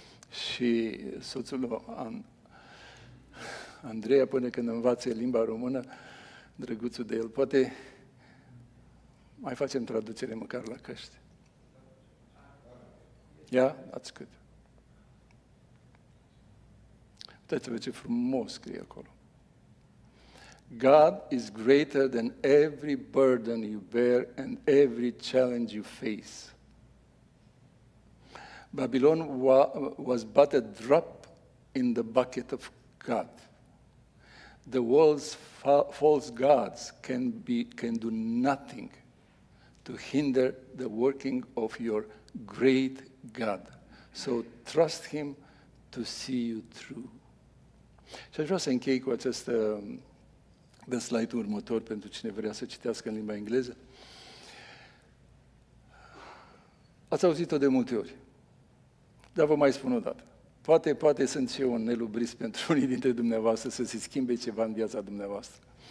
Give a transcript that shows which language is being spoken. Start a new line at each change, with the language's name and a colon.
Romanian: Și soțul Andreea, până când învață limba română, drăguțul de el, poate mai facem traducere măcar la căști.
English: Ia? That's good.
Romanian: Uitați-vă ce frumos scrie acolo.
English: God is greater than every burden you bear and every challenge you face. Babylon was but a drop in the bucket of God. The world's false gods can do nothing to hinder the working of your great God. So trust him to see you through.
Romanian: Și aș vrea să închei cu acest slide următor pentru cine vrea să citească în limba engleză. Ați auzit-o de multe ori, dar vă mai spun o dată. Poate sunt și eu un nelubris pentru unii dintre dumneavoastră să se schimbe ceva în viața dumneavoastră.